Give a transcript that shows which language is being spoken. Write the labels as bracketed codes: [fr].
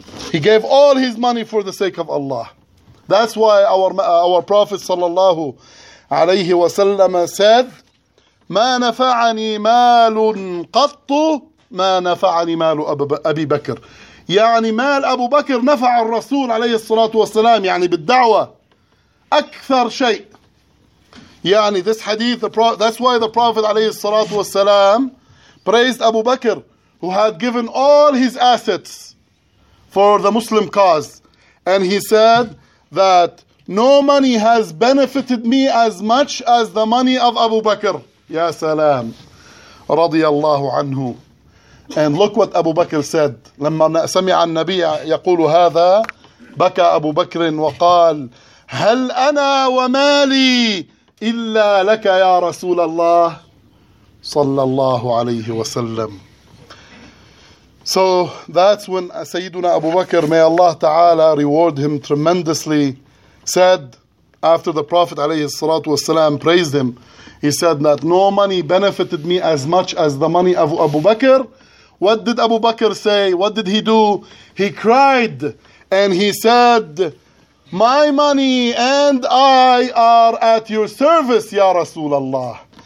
[en] He gave all his money for the sake of Allah. That's why our Prophet sallallahu alayhi wa sallam said, [ar] مَا نَفَعَنِي مَالٌ قَطُّ مَا نَفَعَنِي مَالُ أَبِي بَكْرِ. يعني مال أبو بكر نفع الرسول عليه الصلاة والسلام, يعني بالدعوة أكثر شيء. [en] يعني this hadith, that's why the Prophet [ar] عليه الصلاة والسلام [en] praised Abu Bakr, who had given all his assets for the Muslim cause. And he said that no money has benefited me as much as the money of Abu Bakr. Ya salam. Radiyallahu anhu. And look what Abu Bakr said. [ar] لَمَّا سَمِعَ النَّبِيَ يَقُولُ هَذَا بَكَى أَبُو بَكْرٍ وَقَالَ هَلْ أَنَا وَمَالِي إِلَّا لَكَ يَا رَسُولَ اللَّهِ sallallahu alayhi wa sallam. [en] So that's when Sayyiduna Abu Bakr, may Allah ta'ala reward him tremendously, said, after the Prophet alayhi salatu wasalam praised him, he said that no money benefited me as much as the money of Abu Bakr. What did Abu Bakr say? What did he do? He cried and he said, my money and I are at your service, ya Rasulallah.